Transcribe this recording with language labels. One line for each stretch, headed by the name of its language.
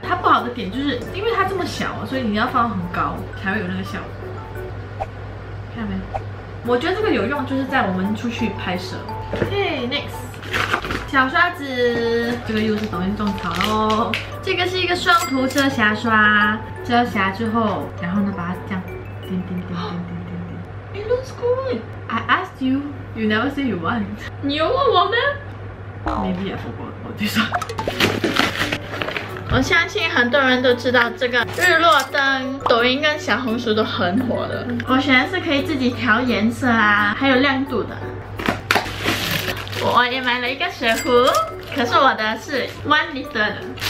Chinese: 它不好的点就是因为它这么小，所以你要放很高才会有那个效果。看到没有？我觉得这个有用，就是在我们出去拍摄。
English: Okay, next。
Chinese: 小刷子，这个又是抖音种草咯。这个是一个双涂遮瑕刷，遮瑕之后，然后呢把它这样点点点点点点点。
English: It looks good. I asked you, you never say you want.
Chinese: 你有问我吗？
English: Maybe I forgot.
Chinese: 我就说，我相信很多人都知道这个日落灯，抖音跟小红书都很火的。我选的是可以自己调颜色啊，还有亮度的。我也买了一个水壶，可是我的是
English: one liter
Chinese: 的。